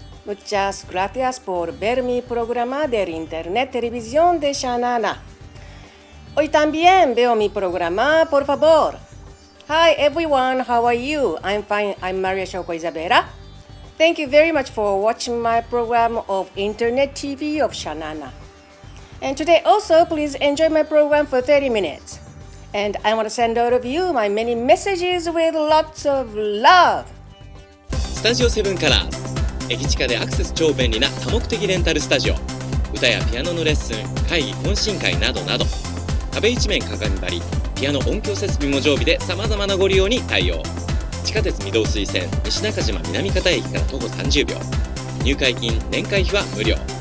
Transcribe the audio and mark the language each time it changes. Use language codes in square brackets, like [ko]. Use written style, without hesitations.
[es] Muchas gracias por ver mi programa del Internet Televisión de Shanana. Hoy también veo mi programa, por favor. [en] Hi, everyone. How are you? I'm fine. I'm María Shoko Isabela. Thank you very much for watching my program of Internet TV of Shanana. And today also, please enjoy my program for 30 minutes. And I want to send all of you my many messages with lots of love! [ja] スタジオ7から駅近でアクセス超便利な多目的レンタルスタジオ、歌やピアノのレッスン、会議、懇親会などなど、壁一面鏡張り、ピアノ音響設備も常備で様々なご利用に対応。地下鉄御堂筋線西中島南方駅から徒歩30秒、入会金、年会費は無料。